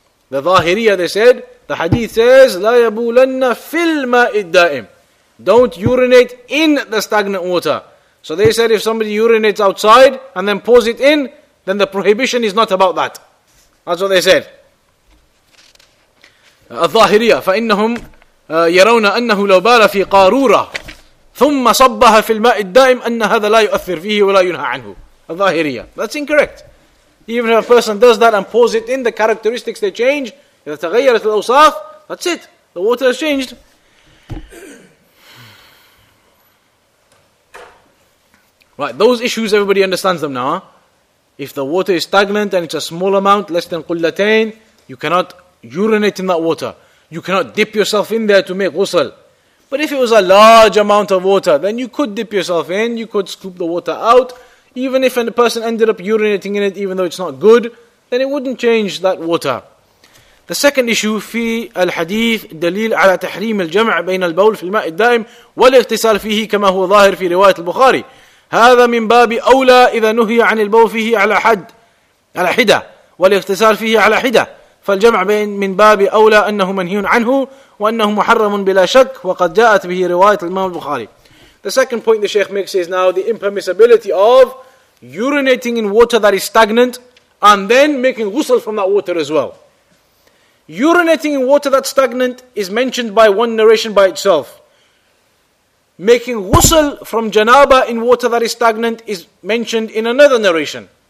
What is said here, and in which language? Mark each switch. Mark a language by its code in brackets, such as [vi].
[en] The Zahiriyya, they said, the hadith says, [ar] لَا يَبُولَنَّ فِي الْمَاءِ الدَّائِمِ. [en] Don't urinate in the stagnant water. So they said if somebody urinates outside and then pours it in, then the prohibition is not about that. That's what they said. [ar] الظاهرية فإنهم يرون أنه لو بال في قارورة ثم صبها في الماء الدائم أن هذا لا يؤثر فيه ولا ينهى عنه. الظاهرية. [en] That's incorrect. Even if a person does that and pours it in, the characteristics they change. That's it. The water has changed. Right, those issues, everybody understands them now. If the water is stagnant and it's a small amount, less than qullatain, you cannot urinate in that water. You cannot dip yourself in there to make ghusl. But if it was a large amount of water, then you could dip yourself in, you could scoop the water out. Even if a person ended up urinating in it, even though it's not good, then it wouldn't change that water. The second issue, [ar] في الحديث دليل على تحريم الجمع بين البول في الماء الدائم والاغتسال فيه كما هو ظاهر في رواية البخاري. هذا من باب أولى إذا نهي عن البول فيه على حد على حدة والاغتسال فيه على حدة فالجمع بين من باب أولى أنه منهي عنه وأنه محرم بلا شك وقد جاءت به رواية الإمام البخاري. [en] The second point the Sheikh makes is now the impermissibility of urinating in water that is stagnant and then making ghusl from that water as well. Urinating in water that's stagnant is mentioned by one narration by itself. Making ghusl from janaba in water that is stagnant is mentioned in another narration.